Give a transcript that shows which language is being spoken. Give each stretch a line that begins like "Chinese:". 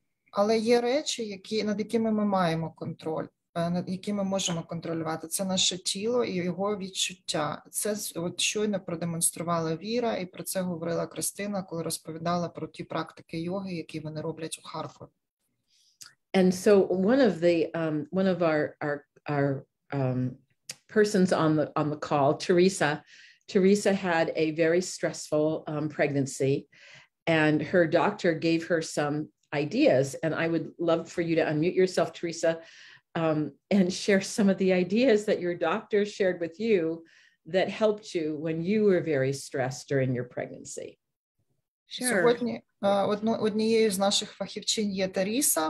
Ukrainian: Але є речі, які, над якими ми маємо контроль. Над якими можемо контролювати, це наше тіло і його відчуття. Це от щойно продемонструвала Віра, і про це говорила Кристина, коли розповідала про ті практики йоги, які вони роблять у Харкові.
English: And so one of the one of our persons on the call, Teresa had a very stressful pregnancy, and her doctor gave her some ideas, and I would love for you to unmute yourself, Teresa. And share some of the ideas that your doctor shared with you that helped you when you were very stressed during your pregnancy.
Ukrainian: Сьогодні однією з наших фахівчин є Таріса.